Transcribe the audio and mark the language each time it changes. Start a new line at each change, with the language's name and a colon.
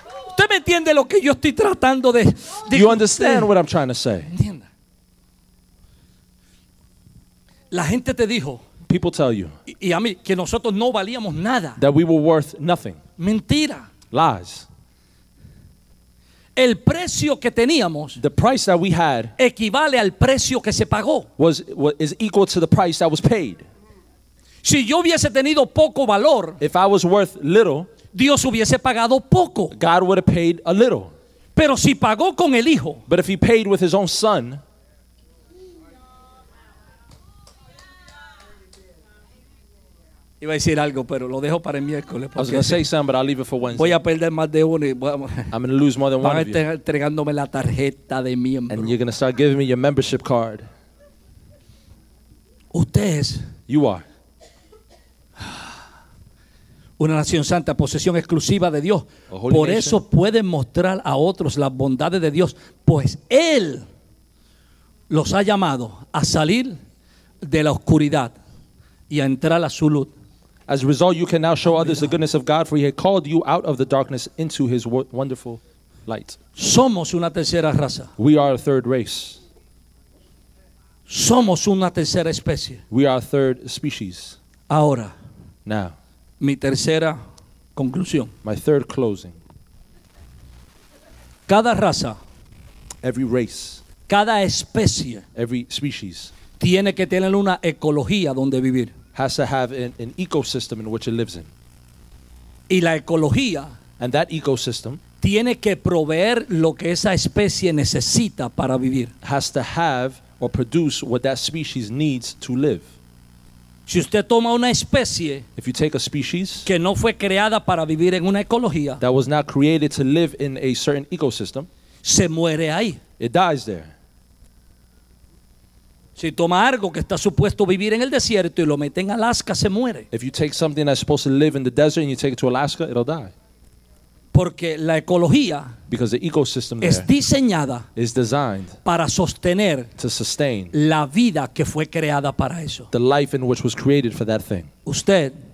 Spanish: ¿Usted me entiende lo que yo estoy tratando de decir?
English: You understand what I'm trying to say?
Spanish: Entienda. La gente te dijo.
English: People tell you.
Spanish: Y a mí que nosotros no valíamos nada.
English: That we were worth nothing.
Spanish: Mentira.
English: Lies.
Spanish: El precio que teníamos,
English: the price that we had,
Spanish: equivale al precio que se pagó.
English: Is equal to the price that was paid.
Spanish: Si yo hubiese tenido poco valor,
English: if I was worth little,
Spanish: Dios hubiese pagado poco.
English: God would have paid a little.
Spanish: Pero si pagó con el hijo,
English: but if he paid with his own son,
Spanish: iba a decir algo, pero lo dejo para el miércoles.
English: I was going to say something, but I'll leave it for Wednesday.
Spanish: Voy a perder más de uno.
English: I'm going to lose more than one of you.
Spanish: Van a entregándome la tarjeta de miembro.
English: And you're going to start giving me your membership card.
Spanish: Ustedes.
English: You are.
Spanish: Una nación santa, posesión exclusiva de Dios. Por eso pueden mostrar a otros las bondades de Dios, pues Él los ha llamado a salir de la oscuridad y a entrar a su luz.
English: As a result, you can now show others the goodness of God, for He had called you out of the darkness into His wonderful light.
Spanish: Somos una tercera raza.
English: We are a third race.
Spanish: Somos una tercera especie.
English: We are a third species.
Spanish: Ahora.
English: Now.
Spanish: Mi tercera conclusión.
English: My third closing.
Spanish: Cada raza.
English: Every race.
Spanish: Cada especie.
English: Every species.
Spanish: Tiene que tener una ecología donde vivir.
English: Has to have an ecosystem in which it lives in.
Spanish: Y la ecología.
English: And that ecosystem.
Spanish: Tiene que proveer lo que esa especie necesita para vivir.
English: Has to have or produce what that species needs to live.
Spanish: Si usted toma una especie,
English: if you take a species,
Spanish: que no fue creada para vivir en una ecología,
English: that was not created to live in a certain ecosystem,
Spanish: se muere ahí.
English: It dies there.
Spanish: Si toma algo que está supuesto vivir en el desierto y lo mete en Alaska, se muere.
English: If you take something that's supposed to live in the desert and you take it to Alaska, it'll die.
Spanish: Porque la ecología,
English: because the ecosystem
Spanish: es diseñada,
English: is designed
Spanish: para sostener,
English: to sustain
Spanish: la vida que fue creada para eso,
English: the life in which was created for that thing.
Spanish: Usted,